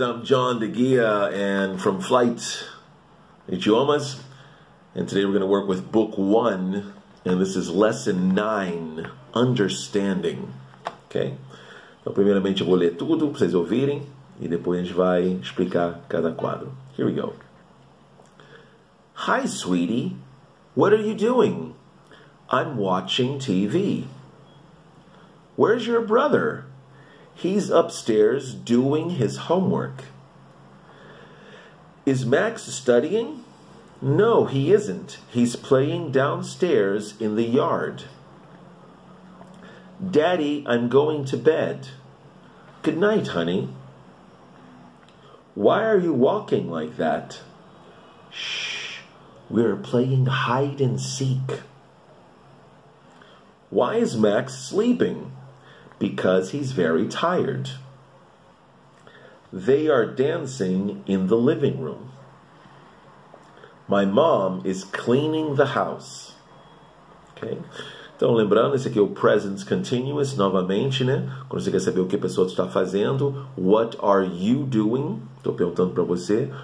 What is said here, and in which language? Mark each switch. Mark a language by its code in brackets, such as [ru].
[en] I'm John DeGia, and from Flight Idiomas. And today we're going to work with Book 1, and this is Lesson 9, Understanding. Okay? [pt] Então, primeiramente, eu vou ler tudo para vocês ouvirem, e depois a gente vai explicar cada quadro. [en] Here we go. Hi, sweetie. What are you doing? I'm watching TV. Where's your brother? He's upstairs doing his homework. Is Max studying? No, he isn't. He's playing downstairs in the yard. Daddy, I'm going to bed. Good night, honey. Why are you walking like that? Shh, we're playing hide and seek. Why is Max sleeping? Because he's very tired. They are dancing in the living room. My mom is cleaning the house. Okay. [pt] Então, lembrando, esse aqui é o present continuous, novamente, né? Quando você quer saber o que a pessoa está fazendo, [en] what are you doing? [pt] Estou perguntando para você.